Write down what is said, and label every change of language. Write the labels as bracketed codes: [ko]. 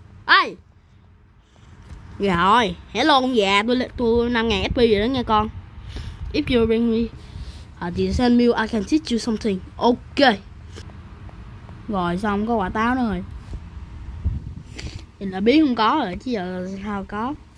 [vi] Ê rồi, hello ông già, tôi 5.000 SP rồi đó nha con. [en] If you bring me a decent meal, I can teach you something. Ok. [vi] Rồi xong, có quả táo nữa rồi. Mình đã biết không có rồi, chứ giờ sao có.